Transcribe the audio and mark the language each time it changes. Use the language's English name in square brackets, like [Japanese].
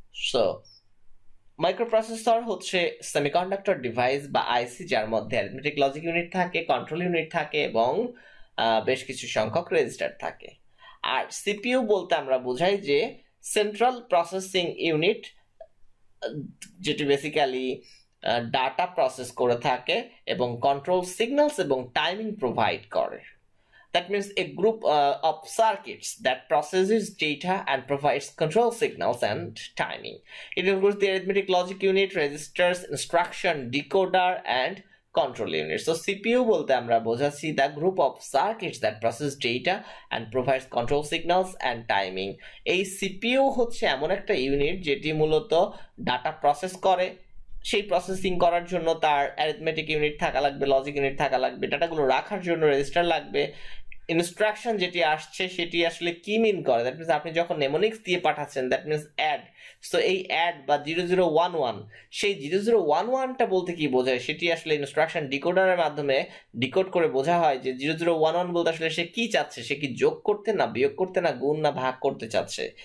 [Bangla] So microprocessor হচ্ছে semiconductor device বা আইসি যার মধ্যে অ্যারিথমেটিক লজিক ইউনিট থাকে, কন্ট্রোল ইউনিট থাকে এবং বেশ কিছু সংখ্যক রেজিস্টার থাকে। আর সিপিইউ বলতে আমরা বুঝাই যে সেন্ট্রাল প্রসেসিং ইউনিট, যেটি বেসিক্যালি ডাটা প্রসেস করে থাকে এবং কন্ট্রোল সিগন্যালস এবং টাইমিং প্রোভাইড করে। [English] That means a group of circuits that processes data and provides control signals and timing. It includes the arithmetic logic unit, registers, instruction, decoder and control unit. So CPU [Bangla] bolte amra bojhachi [English] the group of circuits that process data and provides control signals and timing. [Bangla] Ei CPU hocche emon ekta unit jeti muloto data process kore, সেই processing করার জন্য তার arithmetic unit থাকা লাগবে, logic unit থাকা লাগবে, ডাটাগুলো রাখার জন্য রেজিস্টার লাগবে, ইনস্ট্রাকশন যেটি আসছে সেটি আসলে কি মিন করে, দ্যাট মিনস আপনি যখন নেমোনিক্স দিয়ে পাঠাচ্ছেন দ্যাট মিনস অ্যাড, সো এই অ্যাড বা 0011, সেই 0011টা বলতে কি বোঝায় সেটি আসলে ইনস্ট্রাকশন ডিকোডারের মাধ্যমে ডিকোড করে বোঝা হয় যে 0011 বলতে আসলে সে কি চাচ্ছে, সে কি যোগ করতে না বিয়োগ করতে না গুণ না ভাগ করতে চাচ্ছে।